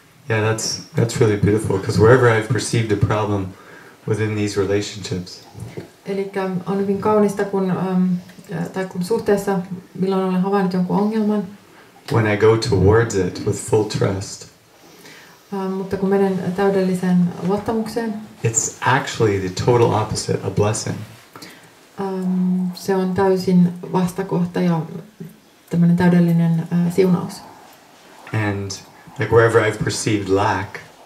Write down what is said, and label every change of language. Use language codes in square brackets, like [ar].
[en] Yeah, that's really beautiful, because wherever I've perceived a problem within these relationships. [fi] Elikkä on hyvin kaunista, kun suhteessa, milloin olen havainnut jonkun ongelman. [en] When I go towards it with full trust. [fi] Mutta kun menen täydelliseen luottamukseen. [en] It's actually the total opposite, a blessing. [fi] Se on täysin vastakohta ja tämmöinen täydellinen siunaus. [en] And like wherever I've perceived lack.